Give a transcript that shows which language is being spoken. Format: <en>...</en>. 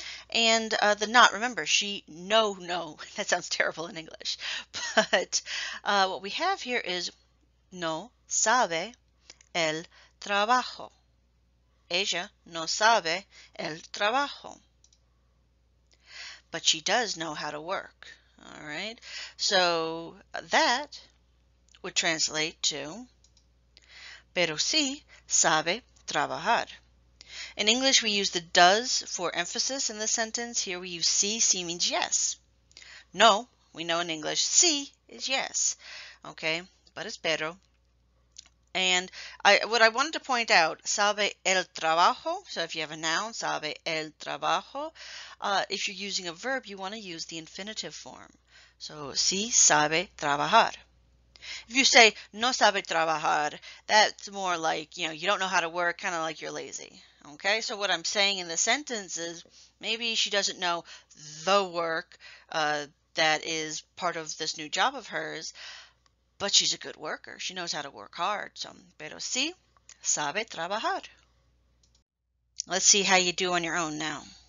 <en>And the not, remember, she no. That sounds terrible in English. But what we have here is</en> <es>no sabe el trabajo. Ella no sabe el trabajo.</es> <en>But she does know how to work. All right. So that would translate to,</en> <es>pero sí sabe trabajar.</es> <en>In English, we use the does for emphasis in the sentence. Here we use sí. Sí means yes. No, we know in English, sí is yes. Okay, but it's pero. And what I wanted to point out,</en> <es>sabe el trabajo.</es> <en>So if you have a noun,</en> <es>sabe el trabajo.</es> <en>If you're using a verb, you want to use the infinitive form. So</en> <es>sí sabe trabajar.</es> <en>If you say</en> <es>no sabe trabajar,</es> <en>that's more like, you don't know how to work, kind of like you're lazy. Okay, so what I'm saying in the sentence is maybe she doesn't know the work that is part of this new job of hers, but she's a good worker. She knows how to work hard. So,</en> <es>pero sí sabe trabajar.</es> <en>Let's see how you do on your own now.</en>